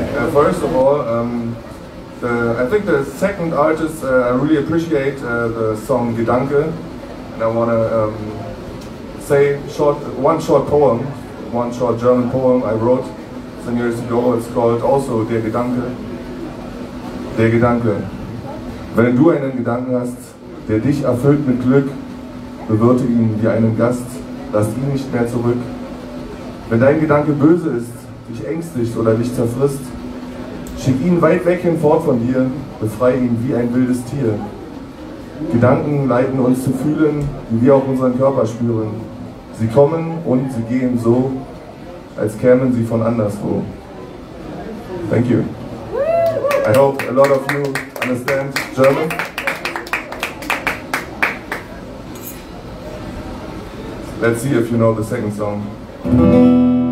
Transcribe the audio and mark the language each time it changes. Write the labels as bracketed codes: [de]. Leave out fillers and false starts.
[en] First of all, I think the second artist, I really appreciate the song Gedanke, and I want to say one short German poem I wrote some years ago. It's called also Der Gedanke. Der Gedanke. [de] Wenn du einen Gedanken hast, der dich erfüllt mit Glück, bewirte ihn wie einen Gast, lass ihn nicht mehr zurück. Wenn dein Gedanke böse ist, dich ängstigt oder dich zerfrisst, schick ihn weit weg hinfort von dir, befreie ihn wie ein wildes Tier. Gedanken leiten uns zu fühlen, wie wir auch unseren Körper spüren. Sie kommen und sie gehen so, als kämen sie von anderswo. [en] Thank you. I hope a lot of you understand German. Let's see if you know the second song.